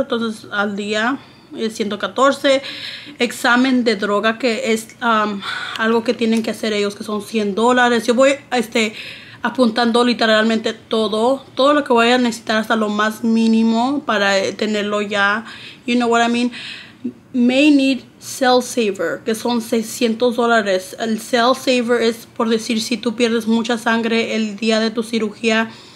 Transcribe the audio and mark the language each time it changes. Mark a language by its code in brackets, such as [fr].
[es] Entonces al día es 114. Examen de droga, que es algo que tienen que hacer ellos, que son $100. Yo voy apuntando literalmente todo lo que voy a necesitar hasta lo más mínimo para tenerlo ya. [en] You know what I mean? May need cell saver, [es] que son $600. El cell saver es por decir si tú pierdes mucha sangre el día de tu cirugía.